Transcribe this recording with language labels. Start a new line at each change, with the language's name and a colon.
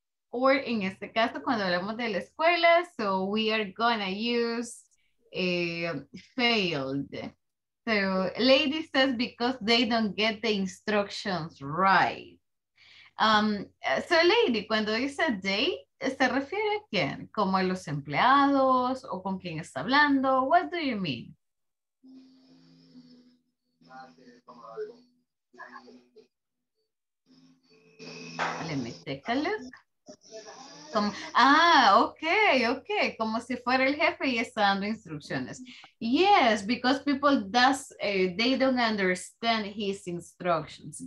Spanish: Or en este caso, cuando hablamos de la escuela,
English: so we are gonna use failed. So, lady says because they don't get the instructions right.
Spanish: So, lady, cuando dice they, ¿se refiere a quién? ¿Como a los empleados o con quién está hablando?
English: What do you mean? Let me take a look.
Spanish: Como,
English: okay.
Spanish: Como si fuera el jefe y está dando instrucciones.
English: Yes, because people does, they don't understand his instructions.